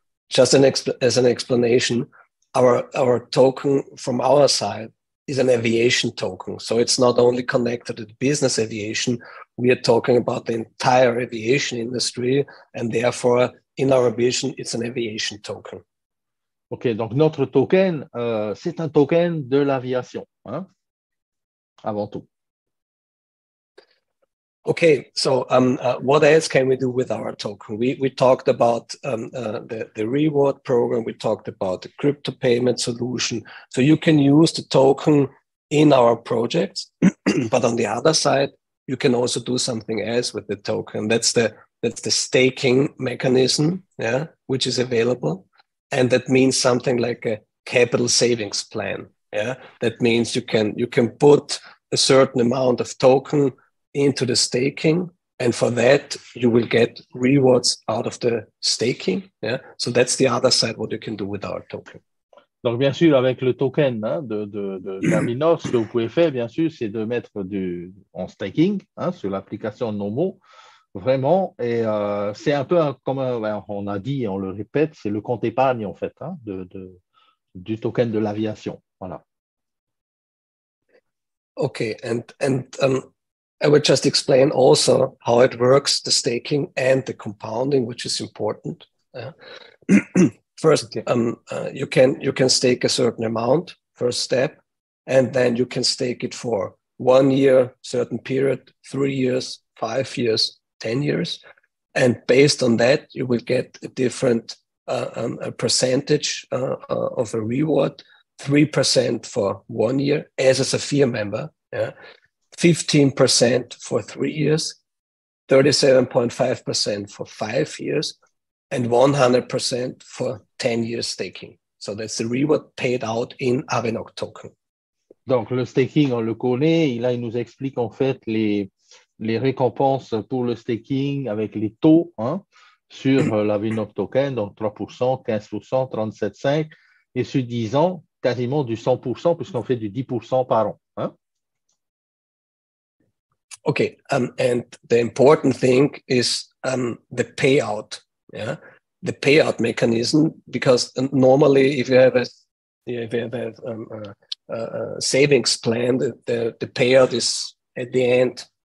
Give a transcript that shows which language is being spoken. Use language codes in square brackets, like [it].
[en] just an exp as an explanation, our token from our side is an aviation token. So it's not only connected to business aviation. We are talking about the entire aviation industry, and therefore, in our vision, it's an aviation token. [fr] OK, donc notre token, c'est un token de l'aviation, hein, avant tout. [en] Okay, so what else can we do with our token? We talked about the reward program. We talked about the crypto payment solution. So you can use the token in our projects, but on the other side, you can also do something else with the token. That's the staking mechanism, which is available, and that means something like a capital savings plan. That means you can put a certain amount of token into the staking, and for that you will get rewards out of the staking. So that's the other side, what you can do with our token. [fr] Donc, bien sûr, avec le token, hein, d'Avinoc, ce que vous pouvez faire, bien sûr, c'est de mettre en staking, hein, sur l'application Nomo, vraiment. Et c'est un peu comme on a dit, on le répète, c'est le compte épargne, en fait, hein, du token de l'aviation. Voilà. [en] Okay, I will just explain also how it works, the staking and the compounding, which is important. First, you can stake a certain amount, first step, and then you can stake it for 1 year, certain period, 3 years, 5 years, 10 years. And based on that, you will get a different a percentage of a reward, 3% for 1 year as a Sophia member. 15% for 3 years, 37.5% for 5 years, and 100% for 10 years staking. So that's the reward paid out in Avinoc token. [fr] Donc, le staking, on le connaît. Et là, il nous explique en fait les récompenses pour le staking avec les taux, hein, sur l'Avinoc token. Donc, 3%, 15%, 37,5%. Et sur 10 ans, quasiment du 100%, puisqu'on fait du 10% par an. [en] Okay, and the important thing is the payout, the payout mechanism. Because normally, if you have a savings plan, the payout is at the end.